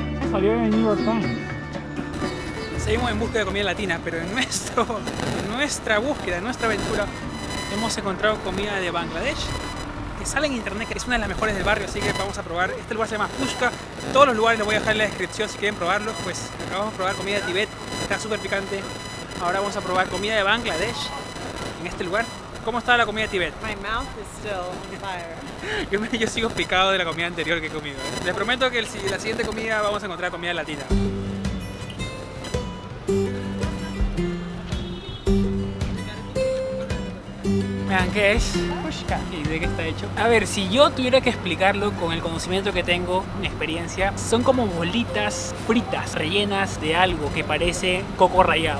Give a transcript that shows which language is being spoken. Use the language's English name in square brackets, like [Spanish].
[Spanish] Salió en New York Times. Seguimos en búsqueda de comida latina, pero en nuestra búsqueda, en nuestra aventura, hemos encontrado comida de Bangladesh, que sale en internet, que es una de las mejores del barrio, así que vamos a probar. Este lugar se llama Pushka. Todos los lugares los voy a dejar en la descripción si quieren probarlos. Pues acabamos de probar comida de Tibet, está súper picante. Ahora vamos a probar comida de Bangladesh en este lugar. ¿Cómo está la comida de Tibet? [English] My mouth is still on fire. [Spanish] Yo sigo picado de la comida anterior que he comido. Les prometo que la siguiente comida vamos a encontrar comida latina. Man, qué es? Pushka. ¿Y de qué está hecho? A ver, si yo tuviera que explicarlo con el conocimiento que tengo, mi experiencia, son como bolitas fritas, rellenas de algo que parece coco rallado.